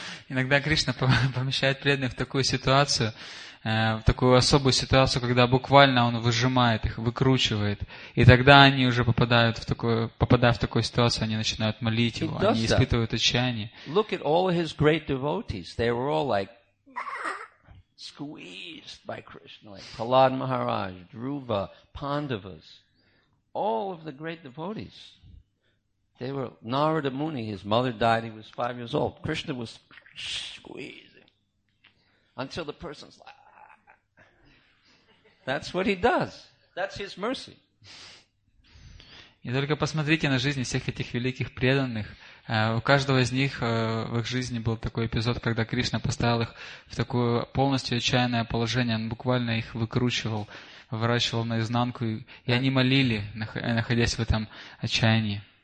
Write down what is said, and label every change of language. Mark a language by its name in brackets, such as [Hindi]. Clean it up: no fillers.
[Russian] Иногда Кришна помещает преданных в такую ситуацию, в такую особую ситуацию, когда буквально он выжимает их, выкручивает. И тогда они уже попадая в такую ситуацию, они начинают молить его, они испытывают отчаяние. [English] Look at all his great devotees. They were all like squeezed by Krishna, like Prahlad Maharaj, Dhruva, Pandavas. All of the great devotees. They were Narada Muni, his mother died, he was 5 years old. Krishna was squeezing. Until the person's like, that's what he does. That's his mercy. [Russian] И только посмотрите на жизнь всех этих великих преданных. У каждого из них в их жизни был такой эпизод, когда Кришна поставил их в такое полностью отчаянное положение. Он буквально их выкручивал, выворачивал наизнанку. И они молили, находясь в этом отчаянии.